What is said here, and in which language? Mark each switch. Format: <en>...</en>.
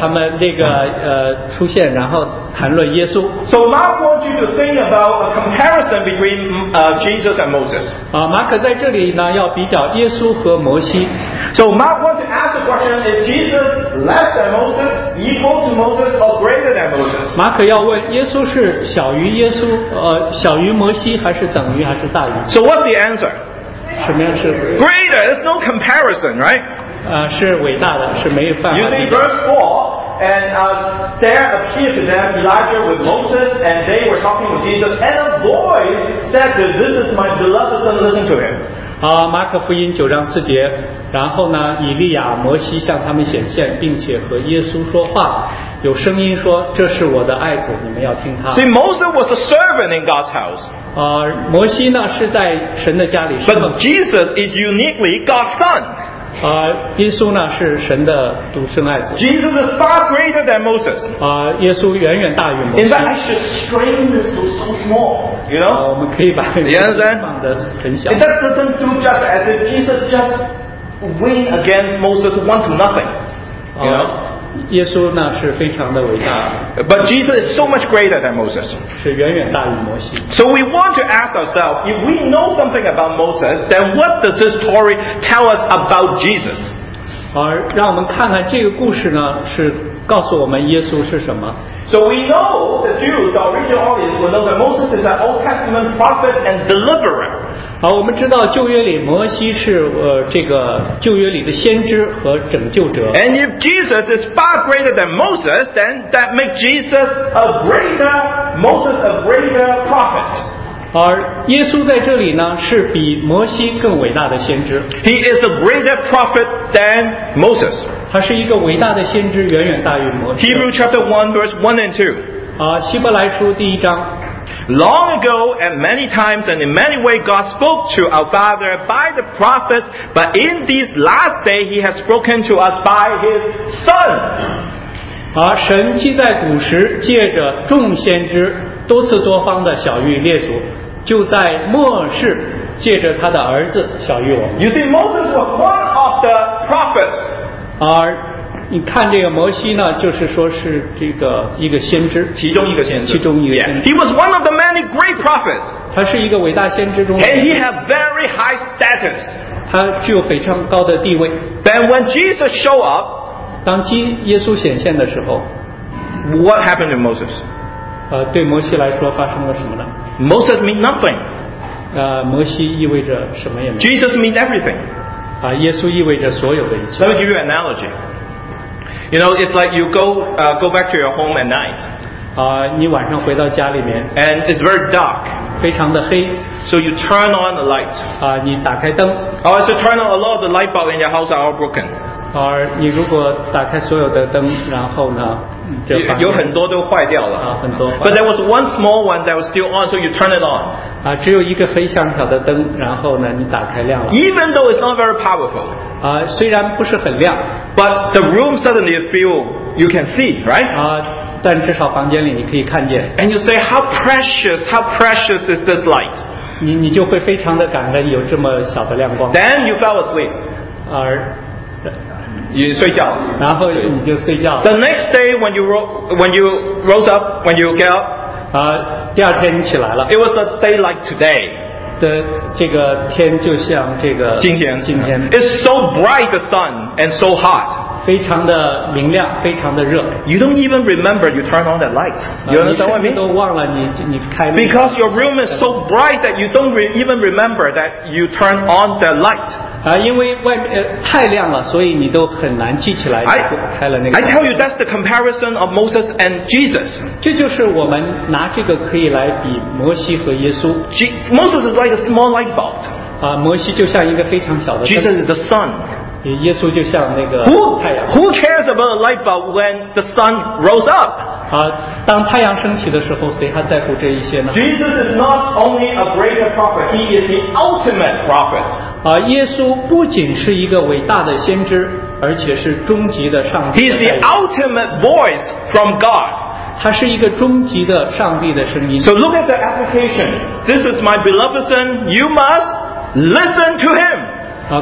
<zh>他们这个出现，然后谈论耶稣。</zh> <en>So Mark wants you to think about a comparison between Jesus and Moses.</en> <zh>马可在这里呢要比较耶稣和摩西。</zh> <en>So Mark wants to ask the question: Is Jesus less than Moses, equal to Moses, or greater than Moses?</en> <zh>马可要问耶稣是小于耶稣，小于摩西，还是等于，还是大于</zh> <en>？So what's the answer?</en> <zh>什么样是</zh> <en>greater? There's no comparison, right?</en> <zh>是伟大的，是没有办法。</zh> <en>You see verse 4, and there appeared to them Elijah with Moses, and they were talking with Jesus, and a voice said, "This is my beloved son, listen to him."</en> <zh>马可福音9章4节，然后呢，以利亚、摩西向他们显现，并且和耶稣说话，有声音说，这是我的爱子，你们要听他。</zh> <en>See, Moses was a servant in God's house.</en> <zh>摩西呢，是在神的家里。</zh> <en>But Jesus is uniquely God's son.</en> <zh>耶稣呢是神的独生爱子。</zh> <en>Jesus is far greater than Moses.</en> <zh>耶稣远远大于摩西。</zh> <en>In fact, I should strain this to so small, you know?</en> <zh>我们可以把这个放得很小。</zh> <en>And that doesn't do just as if Jesus just win against Moses 1-0, you know?</en> <zh>耶稣呢是非常的伟大。</zh> <en>But Jesus is so much greater than Moses.</en> <zh>是远远大于摩西。</zh> <en>So we want to ask ourselves, if we know something about Moses, then what does this story tell us about Jesus?</en> <zh>让我们看看这个故事呢是告诉我们耶稣是什么。</zh> <en>So we know the Jews, the original audience, will know that Moses is an Old Testament prophet and deliverer.</en> <zh>我们知道旧约里摩西是这个旧约里的先知和拯救者。</zh> <en>And if Jesus is far greater than Moses, then that makes Jesus a greater, Moses a greater prophet.</en> <zh>而耶稣在这里呢是比摩西更伟大的先知。</zh> <en>He is a greater prophet than Moses.</en> <zh>他是一个伟大的先知，远远大于摩西。</zh> <en>Hebrews chapter 1 verse 1 and 2.</en> <zh>希伯来书第一章。</zh> <en>Long ago, and many times, and in many ways, God spoke to our father by the prophets, but in these last days, he has spoken to us by his son.</en> <zh>神既在古时借着众先知多次多方的晓谕列祖，就在末世借着他的儿子晓谕我。</zh> <en>You see, Moses was one of the prophets.</en> <zh>你看这个摩西呢，就是说是这个一个先知，其中一个先知，其中一个先知。</zh> <en>Yeah. He was one of the many great prophets.</en> <zh>他是一个伟大先知中的。</zh> <en>And he had very high status.</en> <zh>他具有非常高的地位。</zh> <en>Then when Jesus showed up,</en> <zh>当耶稣显现的时候</zh> <en>，What happened to Moses?</en> <zh>对摩西来说发生了什么呢</zh> <en>？Moses meant nothing.</en> <zh>摩西意味着什么也没有。</zh> <en>Jesus meant everything.</en> <zh>耶稣意味着所有的一切。</zh> <en>Let me give you an analogy. You know, it's like you go back to your home at night.</en> <zh>你晚上回到家里面。</zh> <en>And it's very dark.</en> <zh>非常的黑。</zh> <en>So you turn on the light.</en> <zh>你打开灯。</zh> <en>Oh, so turn on a lot of the light bulbs in your house are all broken.</en> <zh>你如果打开所有的灯，然后呢，有很多都坏掉了。很多。</zh> <en>But there was one small one that was still on, so you turn it on.</en> <zh>只有一个很小小的灯，然后呢，你打开亮了。</zh> <en>Even though it's not very powerful.</en> <zh>虽然不是很亮。</zh> <en>But the room suddenly feel you can see, right?</en> <zh>但至少房间里你可以看见。</zh> <en>And you say, how precious is this light?</en> <zh>你就会非常的感恩有这么小的亮光。</zh> <en>Then you fell asleep.</en> <zh>你睡觉。然后你就睡觉。</zh> <en>The next day when you get up,</en> <zh>第二天你起来了。</zh> <en>It was a day like today.</en> <zh>这个天就像这个今天</zh> <en>It's so bright the sun and so hot</en> <zh>非常的明亮非常的热</zh> <en>You don't even remember you turn on that light You understand what I mean?</en> <zh>你都忘了你开</zh> <en>Because your room is so bright that you don't even remember that you turn on the light</en> <zh>因为外面太亮了所以你都很难记起来开了那个</zh> <en>I tell you that's the comparison of Moses and Jesus</en> <zh>这就是我们拿这个可以来比摩西和耶稣</zh> <en>Moses is like a small light bulb</en> <zh>摩西就像一个非常小的</zh> <en>Jesus is the sun</en> <zh>耶稣就像那个太阳</zh> <en>Who cares about a light bulb when the sun rose up</en> <zh>当太阳升起的时候，谁还在乎这一些呢？</zh> <en>Jesus is not only a greater prophet, he is the ultimate prophet.</en> <zh>耶稣不仅是一个伟大的先知，而且是终极的上帝的代言人。</zh> <en>He is the ultimate voice from God.</en> <zh>他是一个终极的上帝的声音。</zh> <en>So look at the application. This is my beloved son. You must listen to him.</en>